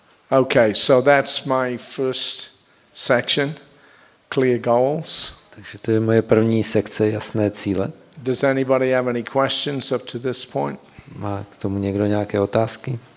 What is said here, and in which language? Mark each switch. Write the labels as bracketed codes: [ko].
[en] Okay, so that's my first section, clear goals. [cs] Takže to je moje první sekce, jasné cíle. [en] Does anybody have any questions up to this point? [cs] Má k tomu někdo nějaké otázky?